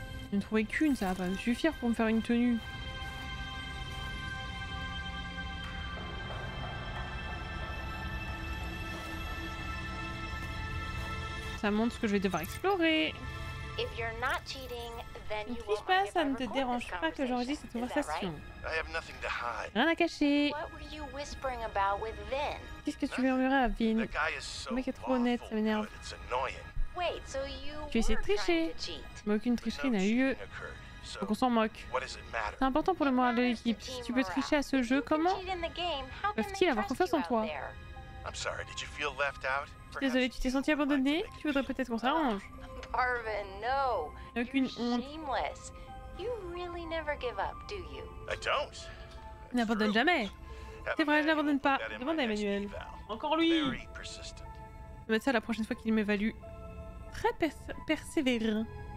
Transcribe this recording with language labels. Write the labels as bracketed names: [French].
[French] Je ne trouvais qu'une, ça va pas me suffire pour me faire une tenue. Ça montre ce que je vais devoir explorer. [English] If you're not cheating, then you won't. [French] Pas, ça ne te dérange pas que j'enregistre cette conversation. [English] I have nothing to hide. [French] Rien à cacher. [English] What were you whispering about with Vin? [French] Qu'est-ce que tu murmurais à Vin? [English] The guy is so. [French] Le mec est trop honnête, ça m'énerve. [English] But it's annoying. Wait, so you [French] tu essaies de tricher. Mais aucune tricherie n'a eu lieu. Faut qu'on s'en moque. C'est important pour le moral de l'équipe. Si tu peux tricher à ce jeu, comment peuvent-ils avoir confiance en toi? [English] I'm sorry, did you feel left out? [French] Je suis désolée, tu t'es senti abandonné? Tu voudrais peut-être qu'on s'arrange? [English] Parvin, no. [French] Aucune honte. [English] Shameless. You really never give up, do you? I don't. [French] N'abandonne jamais. C'est vrai, je n'abandonne pas. Demande à Emmanuel. Encore lui. Je vais mettre ça la prochaine fois qu'il m'évalue. Très persévérant.